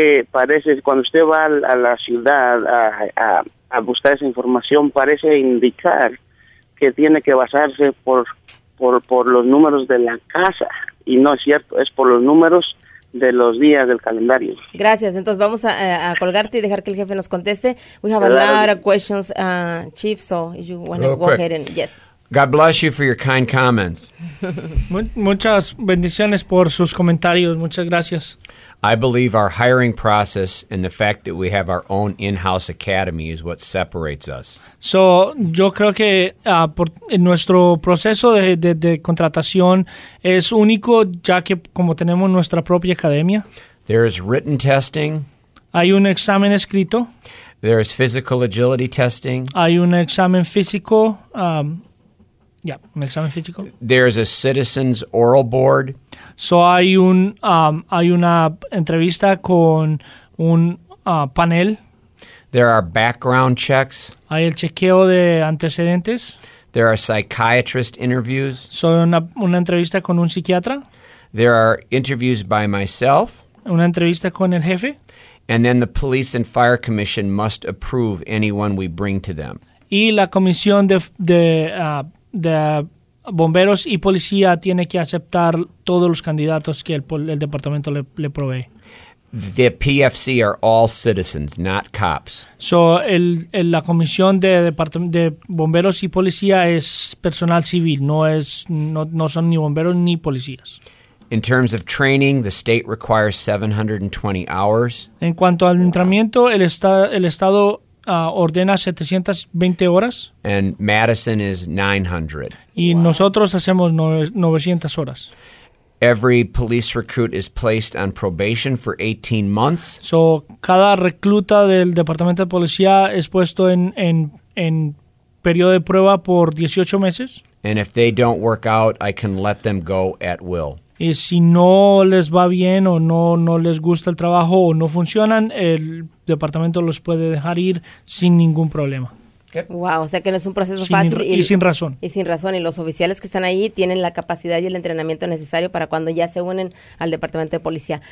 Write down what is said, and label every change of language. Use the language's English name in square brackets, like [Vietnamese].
[Spanish] Parece cuando usted va a la ciudad a buscar esa información, parece indicar que tiene que basarse por los números de la casa, y no es cierto, es por los números de los días del calendario. Gracias, entonces vamos a colgarte y dejar que el jefe nos conteste. [English] We have a lot of questions, Chief, so you want to go ahead and... Yes. God bless you for your kind comments. [Spanish] Muchas bendiciones por sus comentarios. Muchas gracias. [English] I believe our hiring process and the fact that we have our own in-house academy is what separates us. [Spanish] So, yo creo que por nuestro proceso de contratación es único, ya que como tenemos nuestra propia academia. [English] There is written testing. [Spanish] Hay un examen escrito. [English] There is physical agility testing. [Spanish] Hay un examen físico. Un examen físico. [English] There is a citizen's oral board. [Spanish] So hay una entrevista con un panel. [English] There are background checks. [Spanish] Hay el chequeo de antecedentes. [English] There are psychiatrist interviews. [Spanish] So una entrevista con un psiquiatra. [English] There are interviews by myself. [Spanish] Una entrevista con el jefe. [English] And then the police and fire commission must approve anyone we bring to them. [Spanish] Y la comisión de bomberos y policía tiene que aceptar todos los candidatos que el departamento le provee. [English] The PFC are all citizens, not cops. [Spanish] So la comisión de bomberos y policía es personal civil, no son ni bomberos ni policías. [English] In terms of training, the state requires 720 hours. [Spanish] En cuanto al entrenamiento, el estado ordena 720 horas. [English] And Madison is 900. [Spanish] Y nosotros hacemos 900 horas. [English] Every police recruit is placed on probation for 18 months. [Spanish] So cada recluta del departamento de policía es puesto en periodo de prueba por 18 meses. [English] And if they don't work out, I can let them go at will. [Spanish] Y si no les va bien o no les gusta el trabajo o no funcionan, el departamento los puede dejar ir sin ningún problema. [English] Okay. [Spanish] Wow, o sea que no es un proceso fácil. Y sin razón. Y los oficiales que están ahí tienen la capacidad y el entrenamiento necesario para cuando ya se unen al departamento de policía.